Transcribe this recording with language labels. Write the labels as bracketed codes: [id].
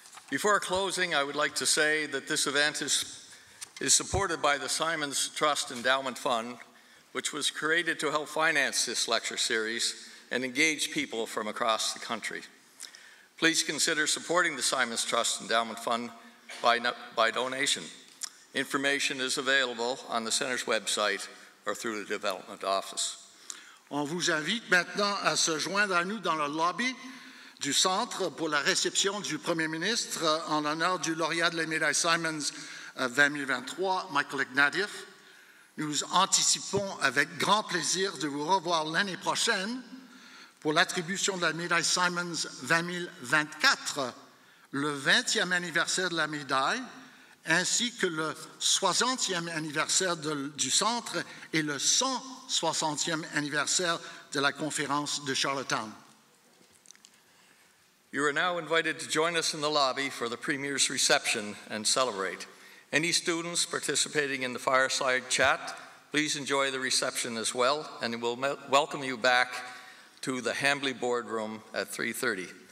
[en] Before closing, I would like to say that this event is supported by the Symons Trust Endowment Fund, which was created to help finance this lecture series and engage people from across the country. Please consider supporting the Symons Trust Endowment Fund by donation. Information is available on the Center's website or through the Development Office. [fr] On vous invite maintenant à se joindre à nous dans le lobby du Centre pour la réception du Premier ministre en l'honneur du lauréat de la médaille Symons 2023, Michael Ignatieff. Nous anticipons avec grand plaisir de vous revoir l'année prochaine pour l'attribution de la médaille Symons 2024, le 20e anniversaire de la médaille ainsi que le 60e anniversaire du centre et le 160e anniversaire de la conférence de Charlottetown. [en] You are now invited to join us in the lobby for the Premier's reception and celebrate. Any students participating in the fireside chat, please enjoy the reception as well, and we'll welcome you back to the Hambly Boardroom at 3:30.